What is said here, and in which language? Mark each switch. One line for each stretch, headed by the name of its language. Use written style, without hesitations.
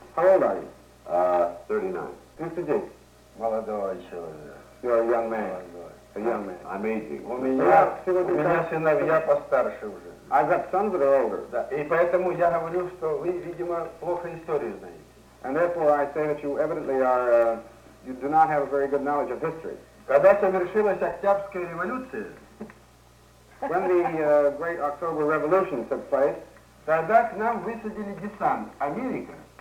English: How old are you? 39.
Russian: 59. Молодой человек.
English: You're a young man. I'm aging.
Russian: У меня сыновья постарше уже.
English: I got sons that are older.
Russian: Да. И поэтому я говорю, что вы, видимо, плохо историю знаете.
English: And therefore I say that you evidently are, you do not have a very good knowledge of history.
Russian: Когда совершилась Октябрьская революция,
English: when the Great October Revolution took place,
Russian: тогда к нам высадили десант Америка.